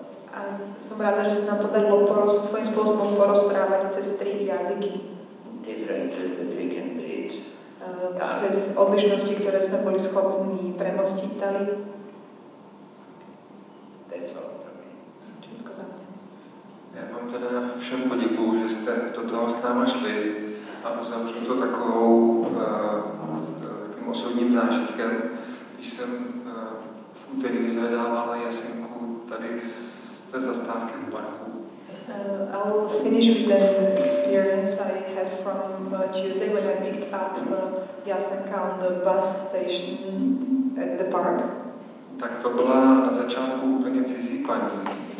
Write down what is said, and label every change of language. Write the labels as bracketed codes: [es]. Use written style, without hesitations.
[sk] A som ráda, že sa nám podarilo svojím spôsobom porozprávať cez tri jazyky. [en] Differences that we can bridge. [sk] Cez odlišnosti, ktoré sme boli schopní premostiť Tali. [en] That's all for me. [sk] Všetko za mňa. [cs] Ja vám teda všem podíkuju, že ste do toho s náma šli a uzavřu to takým osobním zážitkem. Když jsem v úterý vyzvedával jasenku tady z té zastávky u parku. [en] I'll finish with that experience I have from Tuesday when I picked up jasenka on the bus station at the park. [cs] Tak to byla na začátku úplně cizí paní.